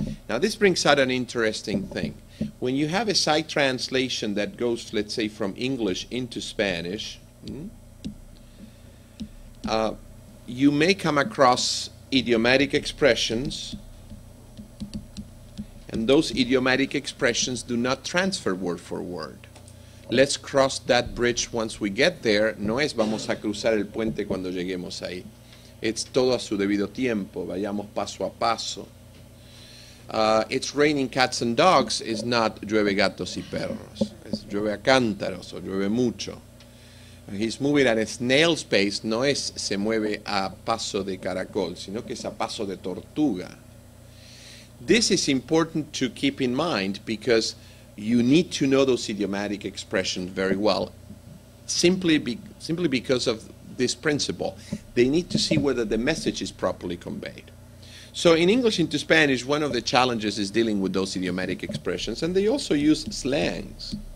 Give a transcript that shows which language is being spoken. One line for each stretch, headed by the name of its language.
English: Now, this brings out an interesting thing. When you have a sight translation that goes, let's say, from English into Spanish, you may come across idiomatic expressions, and those idiomatic expressions do not transfer word for word. Let's cross that bridge once we get there.
Spanish: No es vamos a cruzar el puente cuando lleguemos ahí. It's todo a su debido tiempo. Vayamos paso a paso.
English: It's raining cats and dogs. It's not
Spanish: llueve gatos y perros.
English: It's
Spanish: llueve a cántaros o llueve mucho.
English: He's moving at a snail's pace.
Spanish: No es se mueve a paso de caracol, sino que es a paso de tortuga.
English: This is important to keep in mind because you need to know those idiomatic expressions very well, simply because of this principle. They need to see whether the message is properly conveyed. So in English into Spanish, one of the challenges is dealing with those idiomatic expressions, and they also use slangs.